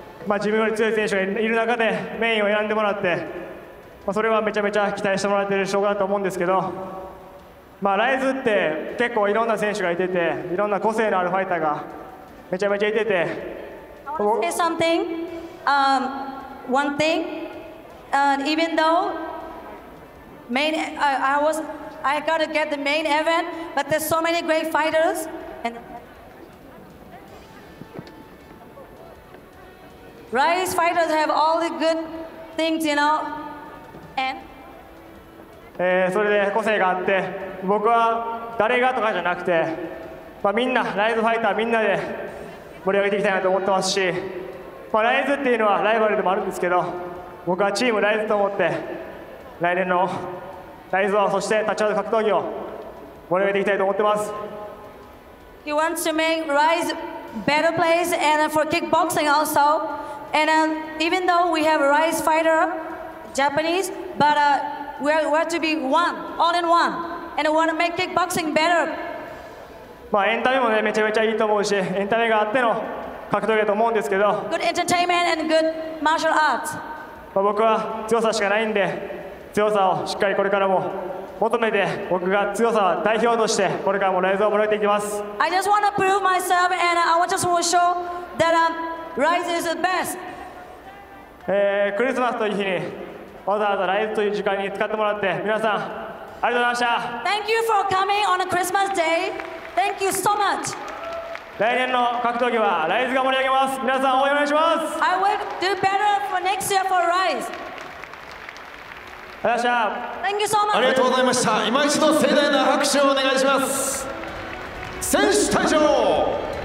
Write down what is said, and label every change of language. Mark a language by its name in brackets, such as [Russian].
[Japanese] まあ、自分より強い選手がいる中でメインを選んでもらって、まあ、それはめちゃめちゃ期待してもらっている証拠だと思うんですけど、まあ、ライズって結構いろんな選手がいてて、いろんな個性のあるファイターがめちゃめちゃいてて、 [English] I want to say something. One thing. Even though main, I got to get the main event, but there's so many great fighters. Rise fighters have all the good things, you know. And? [Japanese] それで個性があって、僕は誰がとかじゃなくて、まあ、みんな、ライズファイターみんなで盛り上げていきたいなと思ってますし、まあ、ライズっていうのはライバルでもあるんですけど、僕はチームライズと思って、来年のライズをそして立ち技格闘技を盛り上げていきたいと思ってます。 [English] He wants to make RISE better place and for kickboxing also. And even though we have RISE fighter, Japanese, but we're to be one, all in one. And we want to make kickboxing better. [Japanese] まあエンタメもねめちゃめちゃいいと思うし、エンタメがあっての格闘技だと思うんですけど。 [English] Good entertainment and good martial arts. [Japanese] まあ僕は強さしかないんで、強さをしっかりこれからも求めて、僕が強さを代表としてこれからもライズを盛り上げていきます。 [English] I just want to prove myself and I just want to show that RISE is the best. [Japanese] クリスマスという日にわざわざライズという時間に使ってもらって皆さんありがとうございました。 [English] Thank you for coming on a Christmas day. Thank you so much. [Japanese] 来年の格闘技はライズが盛り上げます。皆さん応援お願いします。 [English] I will do better for next year for RISE. Thank you so much. [Japanese] ありがとうございました。今一度盛大な拍手をお願いします。選手退場。